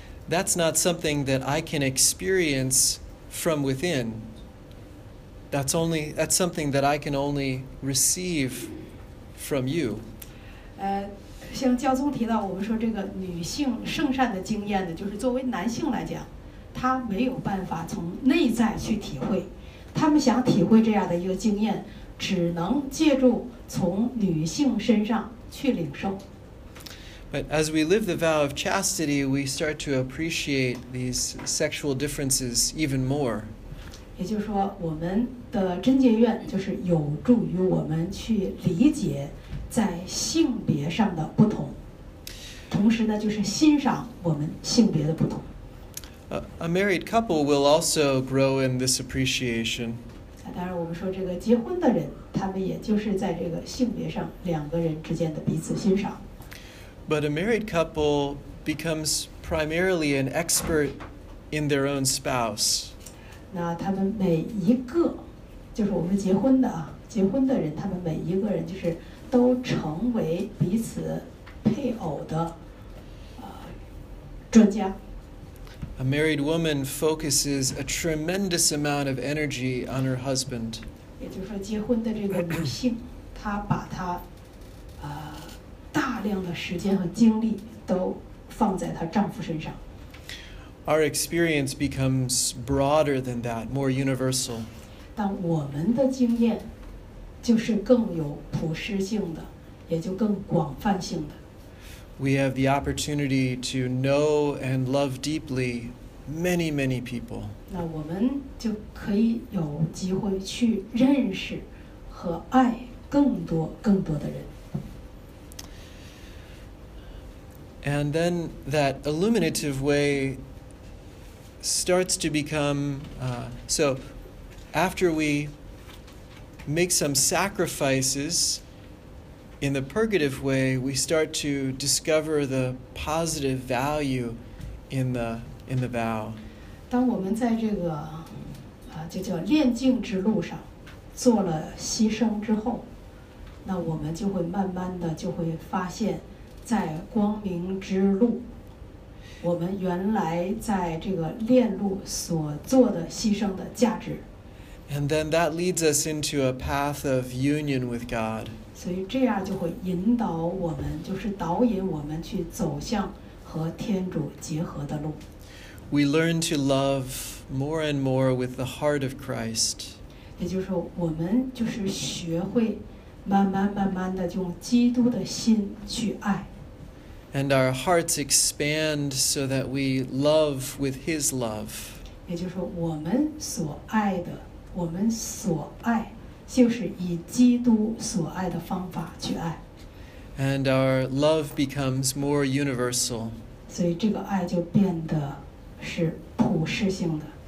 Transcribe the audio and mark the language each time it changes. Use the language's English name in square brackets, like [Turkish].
[English] That's not something that I can experience from within. That's something that I can only receive from you. [Chinese] 像教宗提到，我们说这个女性圣善的经验呢，就是作为男性来讲，他没有办法从内在去体会。他们想体会这样的一个经验，只能借助从女性身上去领受。 [English] But as we live the vow of chastity, we start to appreciate these sexual differences even more. [Chinese] 也就是说，我们的贞洁愿就是有助于我们去理解在性别上的不同，同时呢，就是欣赏我们性别的不同。 [English] A married couple will also grow in this appreciation. [Chinese] 当然，我们说这个结婚的人，他们也就是在这个性别上两个人之间的彼此欣赏。 [English] But a married couple becomes primarily an expert in their own spouse. [Chinese] 那他们每一个，就是我们结婚的人，他们每一个人就是都成为彼此配偶的专家。 [English] A married woman focuses a tremendous amount of energy on her husband. [Chinese] 也就是说，结婚的这个女性，她把她大量的时间和精力都放在她丈夫身上。 [English] Our experience becomes broader than that, more universal. [Chinese] 但我们的经验就是更有普世性的，也就更广泛性的。 [English] We have the opportunity to know and love deeply many, many people. [Chinese] 那我们就可以有机会去认识和爱更多更多的人。 [English] And then that illuminative way starts to become, so after we make some sacrifices in the purgative way, we start to discover the positive value in the vow. [Chinese] 当我们在这个就叫炼净之路上做了牺牲之后，那我们就会慢慢的就会发现，在光明之路我们原来在这个炼路所做的牺牲的价值。 [English] And then that leads us into a path of union with God. [Chinese] 所以这样就会引导我们，就是导引我们去走向和天主结合的路。 [English] We learn to love more and more with the heart of Christ. [Chinese] 也就是说，我们就是学会慢慢慢慢的用基督的心去爱。 [English] And our hearts expand so that we love with His love. [Chinese] 也就是说，我们所爱的，我们所爱，就是以基督所爱的方法去爱。 [English] And our love becomes more universal. [Chinese] 所以这个爱就变得是普世性的。